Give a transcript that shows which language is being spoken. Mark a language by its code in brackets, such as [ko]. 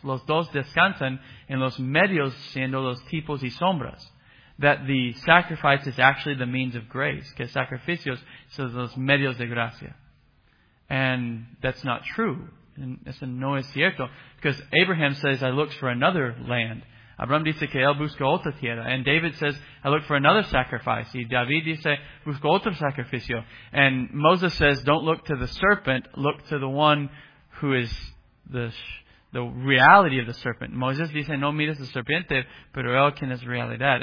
[es] Los dos descansan en los medios siendo los tipos y sombras. [en] That the sacrifice is actually the means of grace. [es] Que sacrificios son los medios de gracia. [en] And that's not true. [es] Eso no es cierto. [en] Because Abraham says, I look for another land. [es] Abraham dice que él busca otra tierra. [en] And David says, I look for another sacrifice. [es] Y David dice, busco otro sacrificio. [en] And Moses says, don't look to the serpent, look to the one who is the reality of the serpent. [es] Moses dice, no mires la serpiente, pero él quien es realidad.